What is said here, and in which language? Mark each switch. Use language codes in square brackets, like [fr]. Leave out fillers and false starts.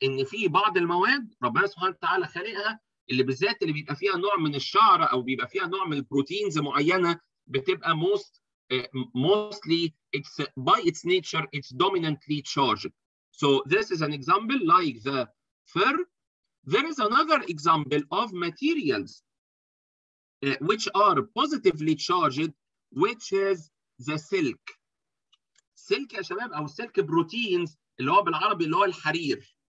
[ar] إن في بعض المواد ربنا سبحانه وتعالى خلقها اللي بالذات اللي بيبقى فيها نوع من الشعرة أو بيبقى فيها نوع من البروتينز معينة بتبقى most [en] mostly it's by its nature, it's dominantly charged. So this is an example like the fur. There is another example of materials which are positively charged, which is the silk. [ar] Silk, يا شباب, أو silk proteins, اللي هو بالعربي اللي هو الحرير.